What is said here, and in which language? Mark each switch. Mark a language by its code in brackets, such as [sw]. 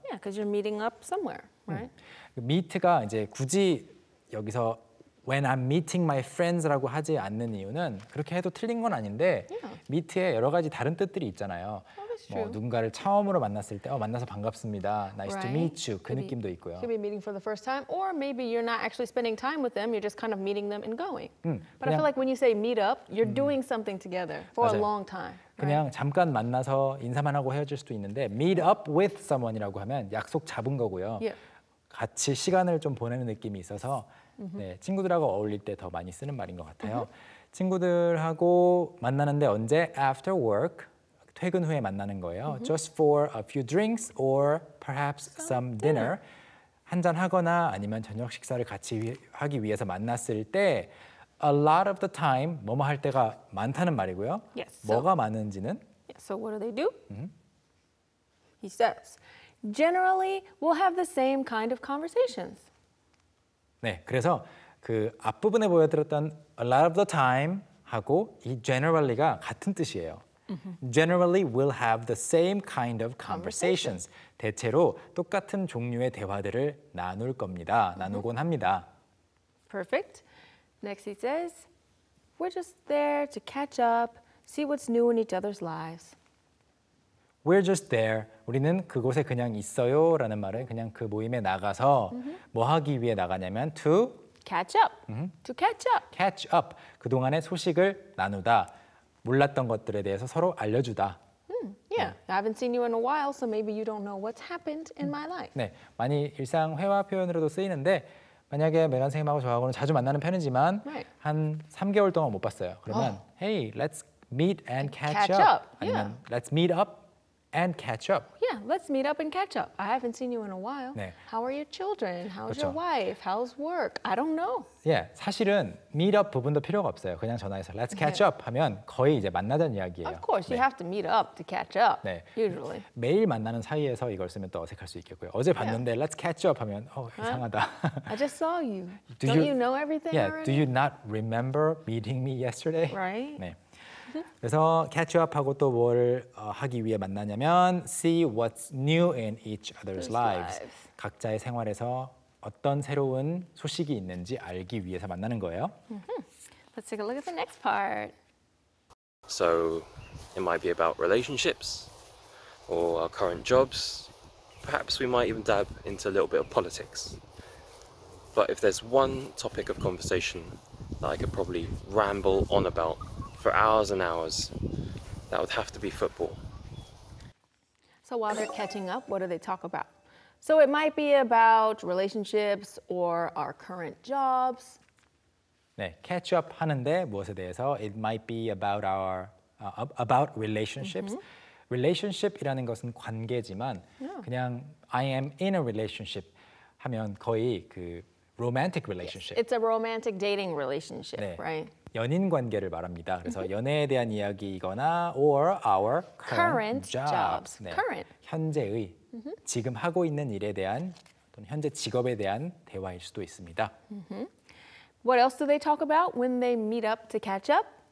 [en] Yeah, because you're meeting up somewhere, right? [ko] Meet가 이제 굳이 여기서 [en] when I'm meeting my friends [ko] 라고 하지 않는 이유는 그렇게 해도 틀린 건 아닌데 meet에 여러 가지 다른 뜻들이 있잖아요. [en] Oh, that's true. [ko] 뭐 누군가를 처음으로 만났을 때 만나서 반갑습니다. [en] Nice to meet you. [ko] 그 느낌도 있고요. [en] Could be meeting for the first time or maybe you're not actually spending time with them. You're just kind of meeting them and going. But I feel like when you say meet up, you're doing something together for [ko] 맞아요. [en] a long time. [ko] 그냥 잠깐 만나서 인사만 하고 헤어질 수도 있는데 [en] meet up with someone [ko] 이라고 하면 약속 잡은 거고요. [en] Yeah. [ko] 같이 시간을 좀 보내는 느낌이 있어서 네, 친구들하고 어울릴 때 더 많이 쓰는 말인 것 같아요. 친구들하고 만나는데 언제? [en] After work, [ko] 퇴근 후에 만나는 거예요. [en] Just for a few drinks or perhaps some dinner. [ko] 한잔 하거나 아니면 저녁 식사를 같이 하기 위해서 만났을 때 [en] A lot of the time, [ko] 뭐뭐 할 때가 많다는 말이고요. [en] Yes, so, [ko] 뭐가 많은지는? [en] Yes, so what do they do? He says, generally, we'll have the same kind of conversations. [ko] 네, 그래서 그 앞부분에 보여드렸던 [en] a lot of the time [ko] 하고 이 generally가 같은 뜻이에요. [en] Generally, we'll have the same kind of conversations. [ko] 대체로 똑같은 종류의 대화들을 나눌 겁니다. 나누곤 합니다. [en] Perfect. Next, he says, we're just there to catch up, see what's new in each other's lives. We're just there. [ko] 우리는 그곳에 그냥 있어요 라는 말은 그냥 그 모임에 나가서 뭐 하기 위해 나가냐면 to [en] catch up. To catch up. Catch up. [ko] 그동안의 소식을 나누다. 몰랐던 것들에 대해서 서로 알려주다. [en] Yeah. I haven't seen you in a while, so maybe you don't know what's happened in my life. [ko] 네, 많이 일상 회화 표현으로도 쓰이는데 만약에 메간 선생님하고 저하고는 자주 만나는 편이지만 [en] right. [ko] 한 3개월 동안 못 봤어요. 그러면 [en] oh. Hey, let's meet and catch, catch up. up. Yeah. [ko] 아니면 [en] Let's meet up and catch up. Yeah, let's meet up and catch up. I haven't seen you in a while. [ko] 네. [en] How are your children? How's [ko] 그렇죠. [en] your wife? How's work? I don't know. [ko] 예, yeah, 사실은 meet up 부분도 필요가 없어요. 그냥 전화해서 [en] let's catch up [ko] 하면 거의 이제 만나던 이야기예요. [en] Of course, 네. you have to meet up to catch up. [ko] 네. [en] Usually. [ko] 매일 만나는 사이에서 이걸 쓰면 또 어색할 수 있겠고요. 어제 봤는데 [en] yeah. let's catch up [ko] 하면 이상하다. [en] I just saw you. Don't you know everything yeah, already? Do you not remember meeting me yesterday? Right. [ko] 네. 그래서 catch up 하고 또 뭘 하기 위해 만나냐면 [en] see what's new in each other's lives. [ko] 각자의 생활에서 어떤 새로운 소식이 있는지 알기 위해서 만나는 거예요. [en] Let's take a look at the next part. So it might be about relationships or our current jobs. Perhaps we might even dab into a little bit of politics. But if there's one topic of conversation that I could probably ramble on about for hours and hours, that would have to be football. So while they're catching up, what do they talk about? So it might be about relationships or our current jobs. [ko] 네, catch up 하는데 무엇에 대해서? [en] It might be about our about relationships. Mm-hmm. [ko] Relationship이라는 것은 관계지만 [en] yeah. [ko] 그냥 [en] I am in a relationship [ko] 하면 거의 그 romantic relationship. [en] Yes. It's a romantic dating relationship, [ko] 네. [en] right? [ko] 연인 관계를 말합니다. 그래서 연애에 대한 이야기이거나 [en] or our current, current jobs. [ko] 네. [en] Current. [ko] 현재의, 지금 하고 있는 일에 대한 또는 현재 직업에 대한 대화일 수도 있습니다. [en] What else do they talk about when they meet up to catch up?